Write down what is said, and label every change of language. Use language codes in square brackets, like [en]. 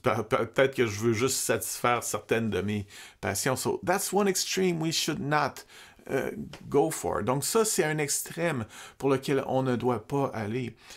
[fr] Peut-être que je veux juste satisfaire certaines de mes passions. [en] So that's one extreme we should not go for. [fr] Donc ça, c'est un extrême pour lequel on ne doit pas aller.